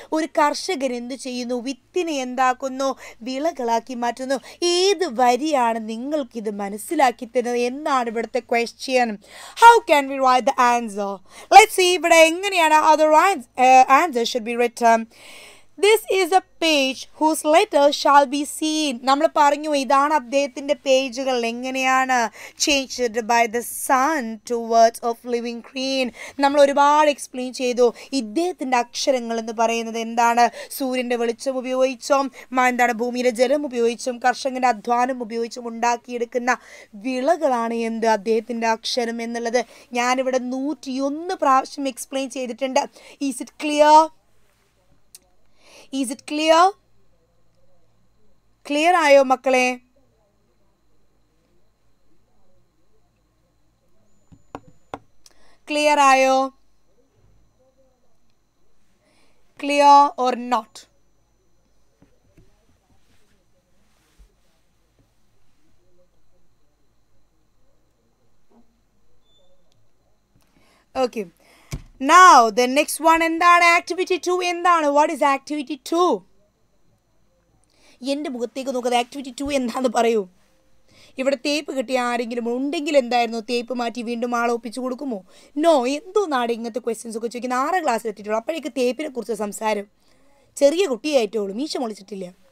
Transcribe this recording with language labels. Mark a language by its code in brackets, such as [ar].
[ml] ഒരു കർഷകൻ എന്ത് ചെയ്യുന്നു, വിത്തിനെ എന്താക്കുന്നു, വിളകളാക്കി മാറ്റുന്നു. ഏത് വരിയാണ് നിങ്ങൾക്കിത് മനസ്സിലാക്കി തരുന്നത് എന്നാണ് ഇവിടുത്തെ question. [en] how can we write the answer, let see [ml] ഇവിടെ എങ്ങനെയാണ് അത് [en] Answer should be written. This is a page whose letter shall be seen. [ml] നമ്മൾ പറഞ്ഞു ഇതാണ് അദ്ദേഹത്തിൻ്റെ പേജുകൾ എങ്ങനെയാണ്, [en] changed by the sun to words of living green. [ml] നമ്മൾ ഒരുപാട് എക്സ്പ്ലെയിൻ ചെയ്തു ഇദ്ദേഹത്തിൻ്റെ അക്ഷരങ്ങൾ എന്ന് പറയുന്നത് എന്താണ്, സൂര്യൻ്റെ വെളിച്ചം ഉപയോഗിച്ചും എന്താണ് ഭൂമിയിലെ ജലം ഉപയോഗിച്ചും കർഷകൻ്റെ അധ്വാനം ഉപയോഗിച്ചും ഉണ്ടാക്കിയെടുക്കുന്ന വിളകളാണ് എന്ത് അദ്ദേഹത്തിൻ്റെ അക്ഷരം എന്നുള്ളത് ഞാനിവിടെ 101 പ്രാവശ്യം എക്സ്പ്ലെയിൻ ചെയ്തിട്ടുണ്ട്. [en] is it clear, is it clear, [ml] clear ആയോ മക്കളെ. ക്ലിയർ ആയോ, [en] Clear or not. Okay. Now, the next one and that activity 2 in that. What is activity 2? [ml] എൻ്റെ മുഖത്തേക്ക് നോക്കുക, ആക്ടിവിറ്റി 2 എന്താന്ന് പറയൂ. ഇവിടെ തേപ്പ് കിട്ടിയ ആരെങ്കിലും ഉണ്ടെങ്കിൽ എന്തായിരുന്നു, തേപ്പ് മാറ്റി വീണ്ടും ആളൊപ്പിച്ച് കൊടുക്കുമോ? നോ, എന്തോ നാട് ഇങ്ങനത്തെ ക്വസ്റ്റ്യൻസ് ഒക്കെ ചോദിക്കുന്ന, ആറ് ക്ലാസ് എത്തിയിട്ടുള്ളൂ, അപ്പോഴേക്ക് തേപ്പിനെ കുറിച്ച് സംസാരം. ചെറിയ കുട്ടിയായിട്ടേ ഉള്ളൂ, മീശ മുളിച്ചിട്ടില്ല.